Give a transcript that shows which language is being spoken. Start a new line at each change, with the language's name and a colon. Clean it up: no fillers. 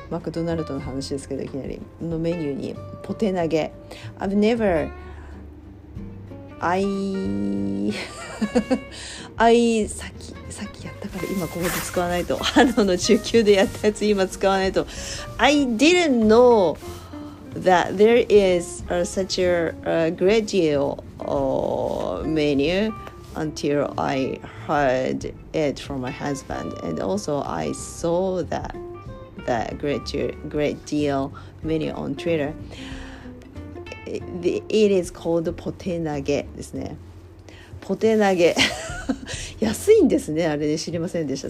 Japanese: マクドナルドの話ですけど、いきなりのメニューにポテ投げ。さっきやったから今ここで使わないと、あのの中級でやったやつ今使わないと。
English: I didn't know that there is such a great deal menu until I heard it from my husband, and also I saw that great deal menu on Twitter. It is called
Japanese: ポテ投げですね。ポテ投げ安いんですね。あれで知りませんでした。